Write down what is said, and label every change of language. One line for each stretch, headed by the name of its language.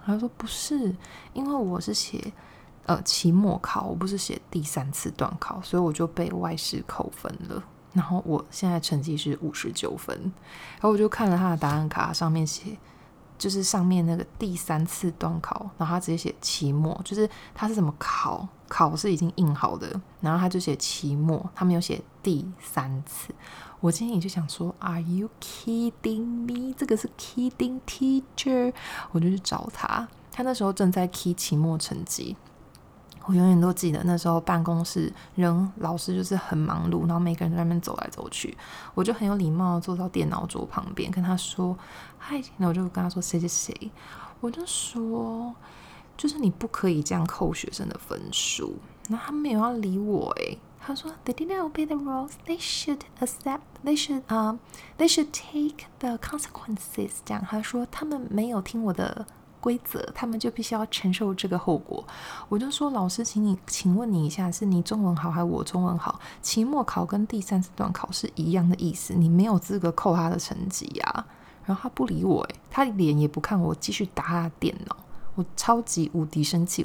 Chinese: 他说不是，因为我是写期末考，我不是写第三次断考，所以我就被外事扣分了，然后我现在成绩是59分。然后我就看了他的答案卡，上面写就是上面那个第三次断考，然后他直接写期末，就是他是怎么考，考是已经印好的，然后他就写期末，他没有写第三次。我今天也就想说
English: Are you kidding me?
Chinese: 这个是
English: kidding teacher。
Chinese: 我就去找他，他那时候正在 key 期末成绩。我永远都记得那时候办公室人老师就是很忙碌，然后每个人在那边走来走去，我就很有礼貌坐到电脑桌旁边跟他说嗨，然后我就跟他说谁谁谁，我就说就是你不可以这样扣学生的分数，然后他没有要理我耶。他说
English: They didn't obey the rules, they should accept, they should take the consequences.
Chinese: 这样他说他们没有听我的规则，他们就必须要承受这个后果。我就说老师请问你一下，是你中文好还是我中文好，期末考跟第三次段考是一样的意思，你没有资格扣他的成绩啊。然后他不理我耶，他脸也不看我，继续打他的电脑，我超级无敌生气。